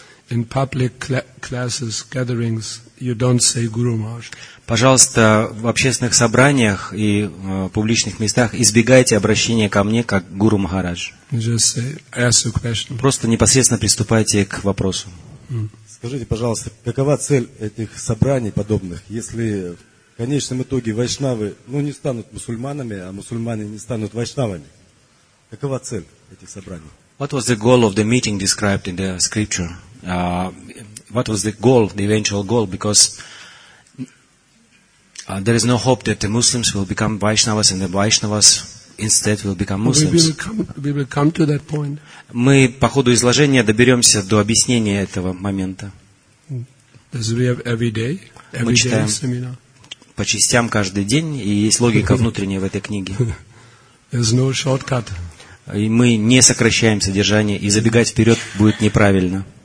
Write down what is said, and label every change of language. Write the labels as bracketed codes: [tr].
[en] In public classes, gatherings, you don't say Guru Maharaj. [ru] Пожалуйста, в общественных собраниях и публичных местах избегайте обращения ко мне как Гуру Махарадж. Просто непосредственно приступайте к вопросу. Скажите, пожалуйста, какова цель этих собраний подобных, если в конечном итоге вайшнавы, ну, не станут мусульманами, а мусульмане не станут вайшнавами? Какова цель этих собраний? [en] What was the goal of the meeting described in the scripture? What was the goal, the eventual goal? Because there is no hope that the Muslims will become vaishnavas and the vaishnavas instead will become Muslims. We will come to that point. [ru] Мы по ходу изложения доберемся до объяснения этого момента. Мы читаем по частям каждый день, и есть логика внутренняя в этой книге. И мы не сокращаем содержание, и забегать вперед будет неправильно.